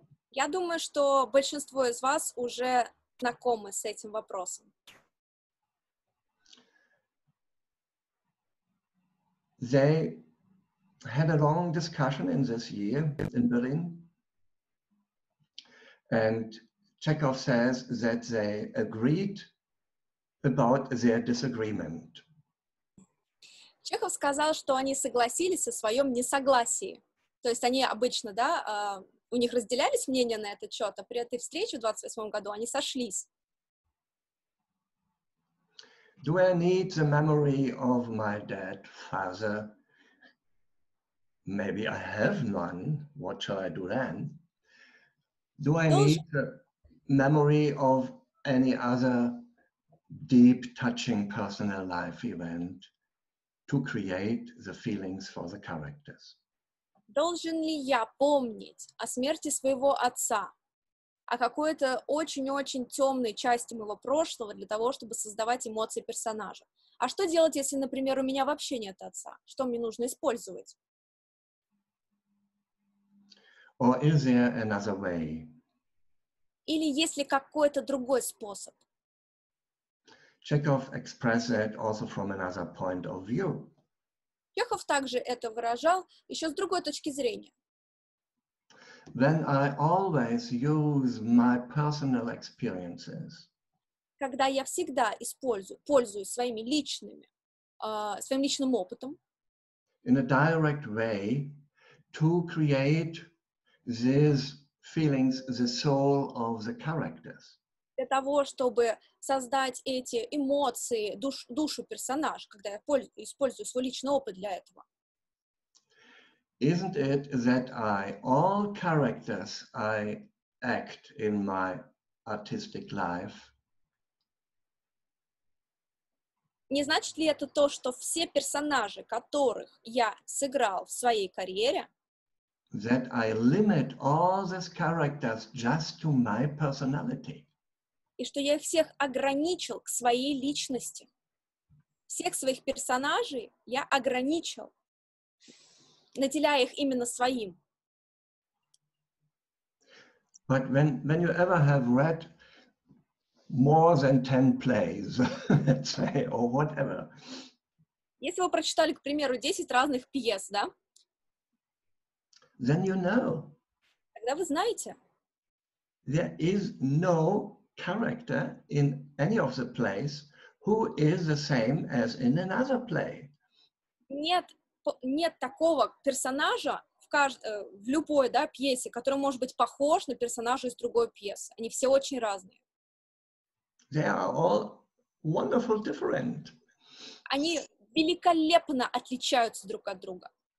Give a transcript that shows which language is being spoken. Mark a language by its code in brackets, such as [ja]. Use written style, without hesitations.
[ru] Я думаю, что большинство из вас уже знакомы с этим вопросом. [en] They had a long discussion in this year in Berlin, and Chekhov says that they agreed about their disagreement. [ru] Чехов сказал, что они согласились со своем несогласии. То есть они обычно, да, у них разделялись мнения на этот счет, а при этой встрече в 28-м году они сошлись. [en] Do I need the memory of my dead father maybe I have none, what shall I do then? Do I need the memory of any other deep, touching personal life event to create the feelings for the characters? [ru] Должен ли я помнить о смерти своего отца, о какой-то очень-очень темной части моего прошлого для того, чтобы создавать эмоции персонажа? А что делать, если, например, у меня вообще нет отца? Что мне нужно использовать? [en] Or is there another way? [ru] Или есть ли какой-то другой способ? [en] Chekhov expressed it also from another point of view. [ru] Чехов также это выражал еще с другой точки зрения. [en] Then I always use my personal experiences. [ru] Когда я всегда пользуюсь своими личными, своим личным опытом. [en] In a direct way to create these feelings, the soul of the characters. [ru] Для того, чтобы создать эти эмоции, душу персонажа, когда я использую свой личный опыт для этого. [en] Isn't it that all characters I act in my artistic life? [ru] Не значит ли это то, что все персонажи, которых я сыграл в своей карьере, [en] that I limit all these characters just to my personality? [ru] И что я их всех ограничил к своей личности. Всех своих персонажей я ограничил, наделяя их именно своим. [en] But when you ever have read more than 10 plays, let's say, or whatever. [ru] Если вы прочитали, к примеру, 10 разных пьес, да? [en] Then you know. [ru] Тогда вы знаете. [en] There is no character in any of the plays who is the same as in another play. [ru] Нет такого персонажа в любой, да, пьесе, который может быть похож на персонажа из другой пьесы. Они все очень разные. [en] They are all wonderful different. [ru] Они великолепно отличаются друг от друга.